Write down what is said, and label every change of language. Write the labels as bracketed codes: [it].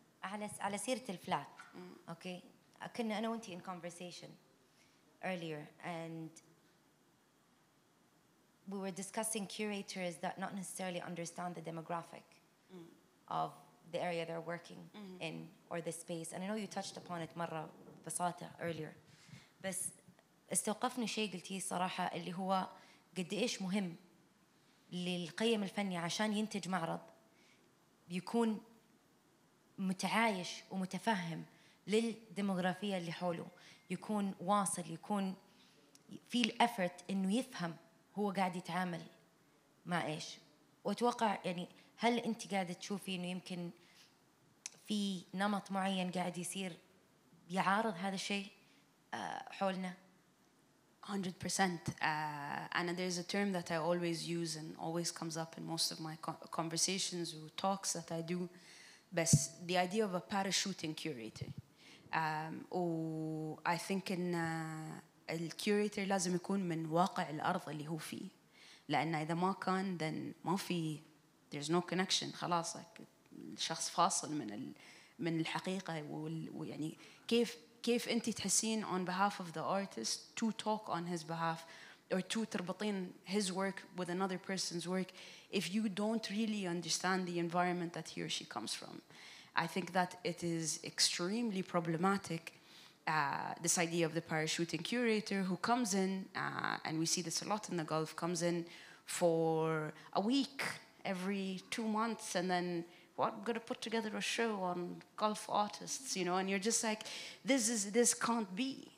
[ar] على سيرة الفلات. [en] Okay, [ar] كنا أنا وأنتي [en] in conversation earlier, and we were discussing curators that not necessarily understand the demographic of the area they're working in or the space. And I know you touched upon it [ar] مرة بساطة [en] earlier, [ar] بس استوقفني شيء قلتيه صراحة اللي هو قد إيش مهم للقيم الفنية عشان ينتج معرض يكون متعايش ومتفهم للديموغرافية اللي حوله، يكون واصل، يكون في الأفرت إنه يفهم هو قاعد يتعامل مع إيش. وأتوقع يعني هل أنت قاعدة تشوفي إنه يمكن في نمط معين قاعد يصير يعارض هذا الشيء حولنا؟ 100%. [en] Anna, there's a term that I always use and always comes up in most of my conversations or talks that I do. But the idea of a parachuting curator. I think in [ar] الكيوريتر لازم يكون من واقع الأرض اللي هو فيه، لأن إذا ما كان [en] then [ar] ما في [en] there's no connection، [ar] خلاص الشخص فاصل من الحقيقة. ويعني كيف أنت تحسين [en] on behalf of the artist to talk on his behalf or to [ar] تربطين [en] his work with another person's work if you don't really understand the environment that he or she comes from. I think that it is extremely problematic, this idea of the parachuting curator who comes in, and we see this a lot in the Gulf, comes in for a week every 2 months, and then what, I'm going to put together a show on Gulf artists, you know, and you're just like, this can't be.